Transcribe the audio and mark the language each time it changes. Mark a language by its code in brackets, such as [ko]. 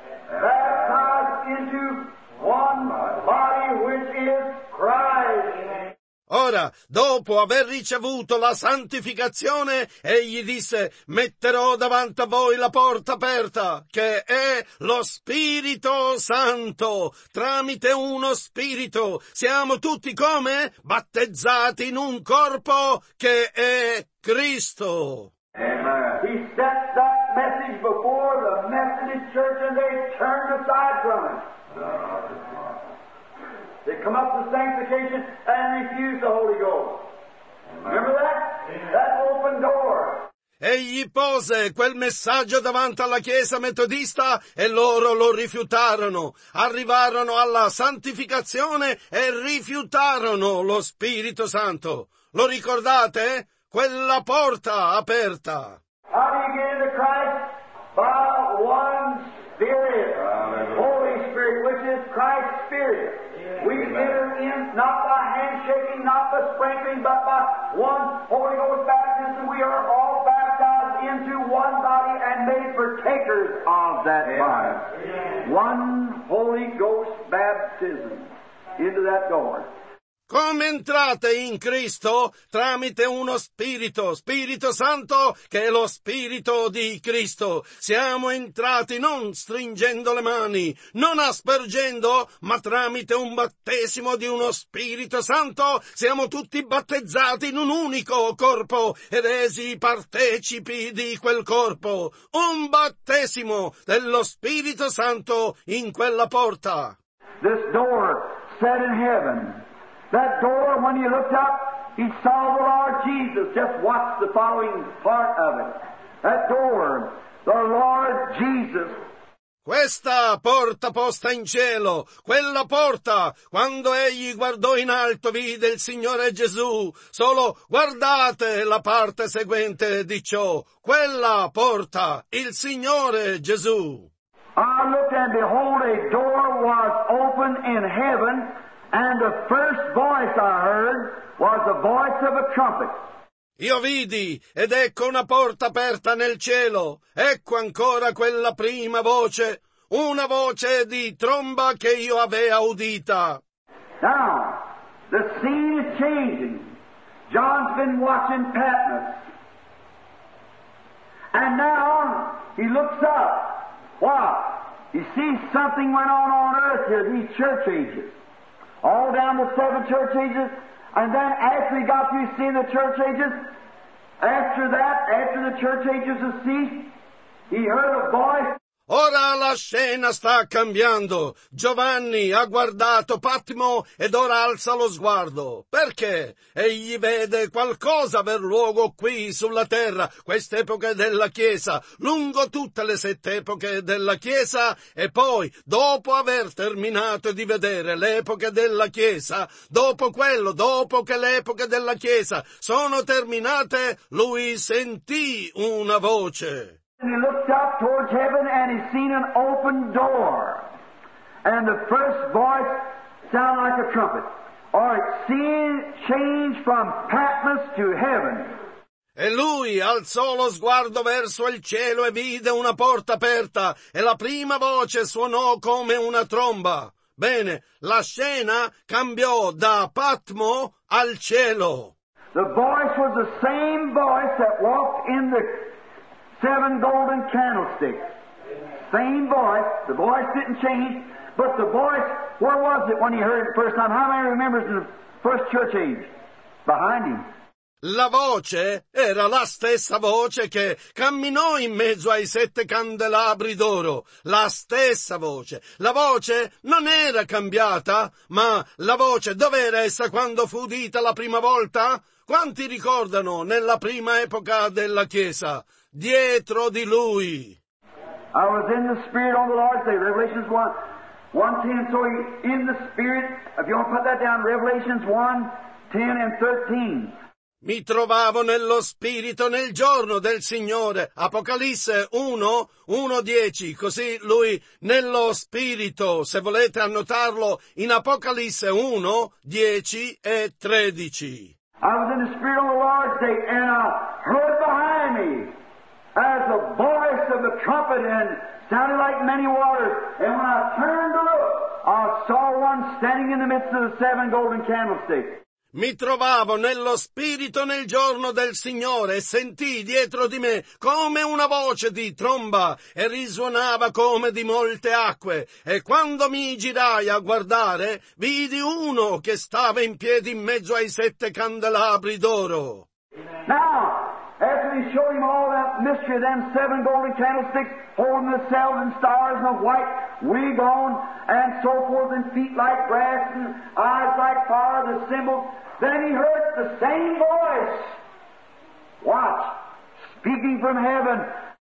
[en] Baptized into one body, which is Christ. [it] Ora. sera, dopo aver ricevuto la santificazione, egli disse: metterò davanti a voi la porta aperta, che è lo Spirito Santo. Tramite uno Spirito siamo tutti come? Battezzati in un corpo che è Cristo. [en] He set that message before the Methodist Church and they turned aside from it. They come up to sanctification and refuse the Holy Ghost. Remember that? That open door. [it] Egli pose quel messaggio davanti alla chiesa metodista e loro lo rifiutarono. Arrivarono alla santificazione e rifiutarono lo Spirito Santo. Lo ricordate? Quella porta aperta. [en] How do you get into Christ? By one Spirit. Holy Spirit, which is Christ's Spirit. We enter in not by handshaking, not by sprinkling, but by one Holy Ghost baptism. We are all baptized into one body and made partakers of that body. Amen. One Holy Ghost baptism into that door. [it] Come entrate in Cristo? Tramite uno Spirito, Spirito Santo, che è lo Spirito di Cristo. Siamo entrati non stringendo le mani, non aspergendo, ma tramite un battesimo di uno Spirito Santo, siamo tutti battezzati in un unico corpo, ed esi partecipi di quel corpo. Un battesimo dello Spirito Santo in quella porta. [en] This door set in heaven. That door, when he looked up, he saw the Lord Jesus. Just watch the following part of it. That door, the Lord Jesus. [it] Questa porta posta in cielo, quella porta, quando egli guardò in alto, vide il Signore Gesù. Solo guardate la parte seguente di ciò. Quella porta, il Signore Gesù. [en] I looked and behold, a door was open in heaven. And the first voice I heard was the voice of a trumpet. [it] Io vidi, ed ecco una porta aperta nel cielo. Ecco ancora quella prima voce, una voce di tromba che io avea udita. [en] Now, the scene is changing. John's been watching Patmos. And now, he looks up. Wow, he sees something went on earth here, these church ages. All down the seven church ages, and then after he got through seeing the church ages, after the church ages have ceased, he heard a voice. [it] Ora la scena sta cambiando. Giovanni ha guardato Patmo ed ora alza lo sguardo. Perché? Egli vede qualcosa aver luogo qui sulla terra, quest'epoca della Chiesa, lungo tutte le sette epoche della Chiesa, e poi, dopo aver terminato di vedere l'epoca della Chiesa, dopo che le epoche della Chiesa sono terminate, lui sentì una voce. [en] And he looked up towards heaven and he seen an open door. And the first voice sounded like a trumpet. Or it changed from Patmos to heaven. [it] E lui alzò lo sguardo verso il cielo e vide una porta aperta. E la prima voce suonò come una tromba. Bene, la scena cambiò da Patmo al cielo. [en] The voice was the same voice that walked in the seven golden candlesticks. Same voice. The voice didn't change. But the voice, where was it when he heard it the first time? How many remembers in the first church age? Behind him. [it] La voce era la stessa voce che camminò in mezzo ai sette candelabri d'oro. La stessa voce. La voce non era cambiata, ma la voce, dov'era essa quando fu udita la prima volta? Quanti ricordano nella prima epoca della Chiesa? Dietro di lui. [en] I was in the Spirit on the Lord's Day, Revelations 1:10. So in the Spirit, if you want to put that down, Revelations 1:10-13. [it] Mi trovavo nello Spirito nel giorno del Signore. Apocalisse 1:10. Così lui nello Spirito, se volete annotarlo, in Apocalisse 1:10-13. [en] I was in the Spirit on the Lord's Day and I heard behind me as the voice of the trumpet and sounded like many waters. And when I turned to look, I saw one standing in the midst of the seven golden candlesticks. [it] Mi trovavo nello spirito nel giorno del Signore e sentii dietro di me come una voce di tromba e risuonava come di molte acque. E quando mi girai a guardare, vidi uno che stava in piedi in mezzo ai sette candelabri d'oro. [en] Now, after he showed him all that mystery, then seven golden candlesticks holding the seven stars and a white wig on and so forth and feet like brass and eyes like fire, the symbol. Then he heard the same voice, watch, speaking from heaven.